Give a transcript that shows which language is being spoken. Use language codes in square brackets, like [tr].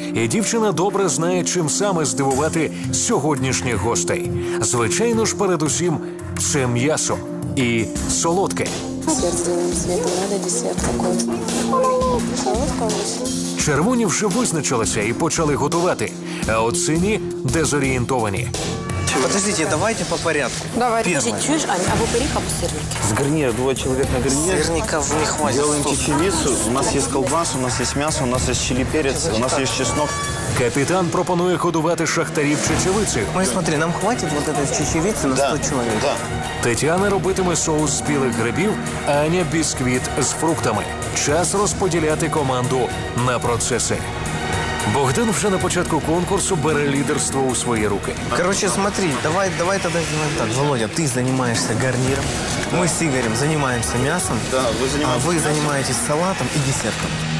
[uk] І дівчина добре знає, чим саме здивувати сьогоднішніх гостей. Звичайно ж, передусім, це м'ясо і солодке. Червоні вже визначилися і почали готувати, а от сині – дезорієнтовані. [ru] чего? Подождите, давайте по порядку. Давай. Первое. Чуешь, Аня, а вы порихал по сырнике? С гарнира, двое человек на гарнире. Сырников не хватит. Делаем чечевицу, у нас есть колбас, у нас есть мясо, у нас есть чили перец, у нас есть чеснок. [uk] Капитан пропонует ходувати шахтарів чечевицею. [ru] Ой, смотри, нам хватит вот этой чечевицы на 100 человек. Да. [uk] Тетяна робитиме соус з білих грибів, Аня – бісквіт з фруктами. Час розподіляти команду на процеси. [ru] Богдан уже [uk] на початку конкурса [ru] берет лидерство у свои руки. Короче, смотри, давай тогда сделаем так. Володя, ты занимаешься гарниром, мы с Игорем занимаемся мясом, да, вы занимаетесь, а вы занимаетесь салатом и десертом.